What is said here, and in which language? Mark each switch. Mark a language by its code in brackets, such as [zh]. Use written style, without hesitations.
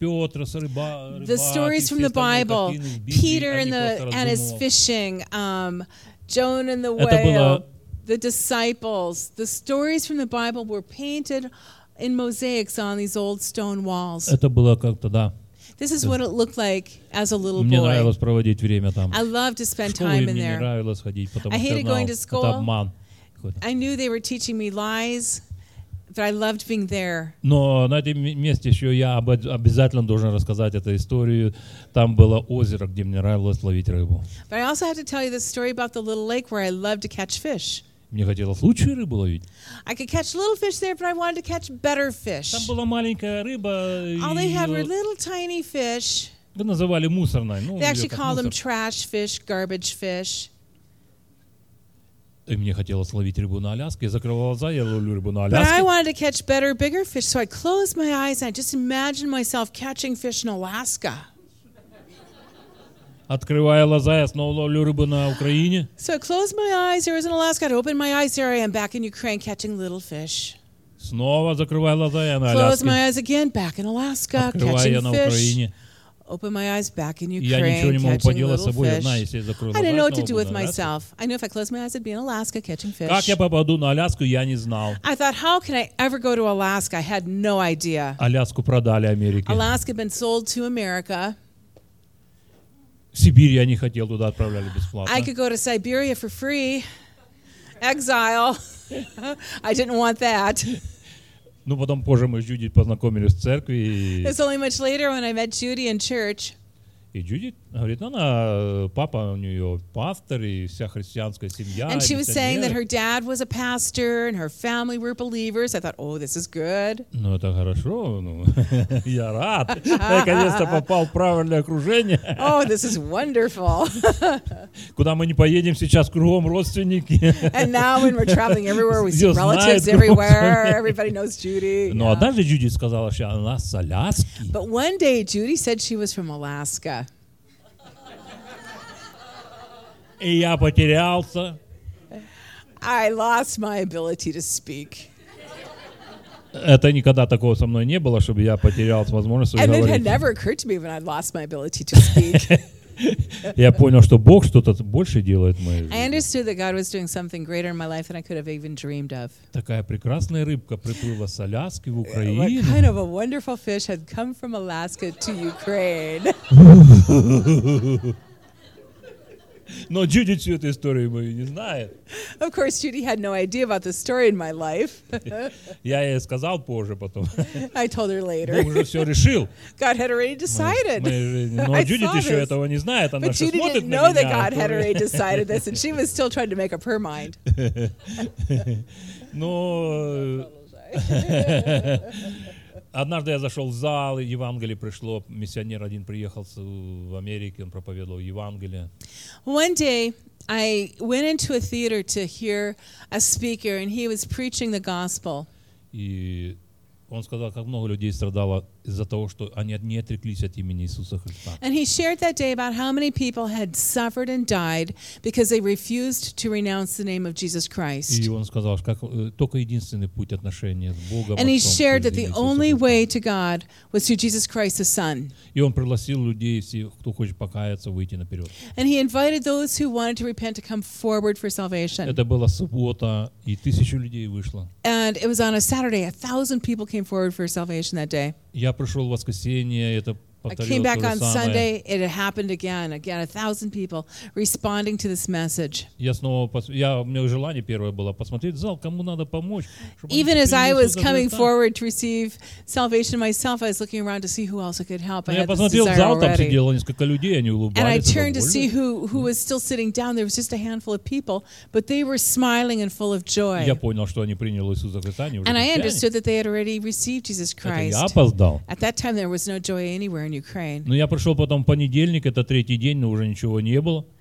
[en] The stories from the Bible, Peter and his fishing, Jonah and the whale, the disciples, the stories from the Bible were painted in mosaics on these old stone walls. This is what it looked like as a little [ru] мне [en] boy. [ru] Нравилось проводить время там. [en] I loved to spend time in there. [ru] Мне нравилось ходить, потому [en] I hated going to school. [ru] Это обман. [en] I knew they were teaching me lies. But I loved being there. [ru] Но на этом месте еще я обязательно должен рассказать эту историю. Там было озеро, где мне нравилось ловить рыбу. [en] But I also have to tell you this story about the little lake where I loved to catch fish. [ru] Мне хотелось лучшую рыбу ловить. [en] I could catch little fish there, but I wanted to catch better fish. [ru] Там была маленькая рыба. [en] All they had were little tiny fish. [ru] Вы называли мусорной. [en] They actually called them trash fish, garbage fish. [ru] И мне хотелось ловить рыбу на Аляске. Я закрывал глаза, я ловлю рыбу на Аляске. [en] But I wanted to catch better, bigger fish, so I closed my eyes and I just imagined myself catching fish in Alaska. [ru] Открывая глаза, я снова ловлю рыбу на Украине. [en] So I closed my eyes, there was in Alaska. I opened my eyes, there I am back in Ukraine catching little fish. [ru] Снова закрывая глаза, я на Аляске. [en] Closed my eyes again, back in Alaska, catching fish. Open my eyes back in Ukraine, catching little fish. [ru] Собой, знаю, [en] I didn't know what to do with myself. I knew if I closed my eyes, I'd be in Alaska catching fish. [ru] Как я попаду на Аляску, я не знал. [en] I thought, how can I ever go to Alaska? I had no idea. [ru] Аляску продали Америке. [en] Alaska had been sold to America. [ru] Сибирь я не хотел, туда отправляли бесплатно. [en] I could go to Siberia for free. Exile. I didn't want that. [ru] Ну, потом позже мы с Джуди познакомились в церкви. [en] It's only much later when I met Judy in church. [ru] И Джуди говорит, она, папа у нее пастор, и вся христианская семья. [en] And she was saying that her dad was a pastor, and her family were believers. I thought, oh, this is good. [ru] Ну, это хорошо, ну, я рад. Я, наконец-то, попал в правильное окружение. [en] Oh, this is wonderful. [ru] Куда мы не поедем сейчас, кругом родственники. [en] And now when we're traveling everywhere, we see relatives everywhere. Everybody knows Judy. [ru] Ну, однажды Джуди сказала, что она с Аляски. [en] But one day, Judy said she was from Alaska. [ru] И я потерялся. [en] I lost my ability to speak. [ru] Это никогда такого со мной не было, чтобы я потерял возможность говорить. [en] And it had never occurred to me when I lost my ability to speak. [ru] Я понял, что Бог что-то больше делает в моей жизни. [en] I understood that God was doing something greater in my life than I could have even dreamed of. [ru] Такая прекрасная рыбка приплыла с Аляски в Украину. [en] What kind of a wonderful fish had come from Alaska to Ukraine? [ru] Но Джуди всю эту историю мою не знает. [en] Of course, Judy had no idea about the story in my life. [ru] Я ей сказал позже потом. [en] I told her later. [ru] Бог уже все решил. [en] God had already decided. [ru] Но Джуди еще этого не знает. Она смотрит на меня. [en] But Judy didn't know that God had already decided this, and she was still trying to make up her mind. [ru] Но однажды я зашел в зал, и Евангелие пришло. Миссионер один приехал в Америку, он проповедовал Евангелие. [en] One day I went into a theater to hear a speaker, and he was preaching the gospel. [ru] И он сказал, как много людей страдало из-за того, что они не отреклись от имени Иисуса Христа. [en] And he shared that day about how many people had suffered and died because they refused to renounce the name of Jesus Christ. [ru] И он сказал, как только единственный путь отношения с Богом. [en] And he shared that the only way to God was through Jesus Christ, the Son. [ru] И он пригласил людей, все, кто хочет покаяться, выйти наперед. [en] And he invited those who wanted to repent to come forward for salvation. [ru] Это была суббота, и тысячу людей вышло. [en] And it was on a Saturday, 1,000 people came forward for salvation that day. [ru] Я пришел в воскресенье, это повторилось. [en] I came back on [ru] самое. [en] Sunday, it happened again. Again, 1,000 people responding to this message. [ru] У меня желание первое было посмотреть зал, кому надо помочь. [en] Even as I was coming forward to receive salvation myself, I was looking around to see who else I could help. [ru] Я посмотрел в зал, там сидело несколько людей, они улыбались. [en] And I turned to see who was still sitting down. There was just a handful of people, but they were smiling and full of joy. [ru] Я понял, что они приняли Иисуса Христа. [en] And I understood that they had already received Jesus Christ. [ru] Я опоздал. [en] At that time, there was no joy anywhere. In Ukraine. [ru] Но я пришел потом в понедельник, это третий день, но уже ничего не было.